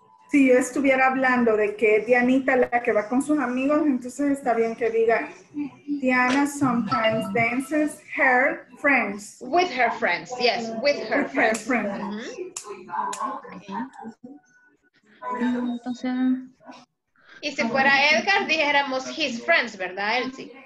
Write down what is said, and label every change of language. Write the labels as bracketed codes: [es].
[es] Si yo estuviera hablando de que Dianita la que va con sus amigos, entonces está bien que diga [en] Diana sometimes dances her friends. With her friends, yes, with her with friends. Her friends. Mm-hmm. Okay. [es] Y si fuera Edgar, dijéramos [en] his friends, [es] ¿verdad, Elsie?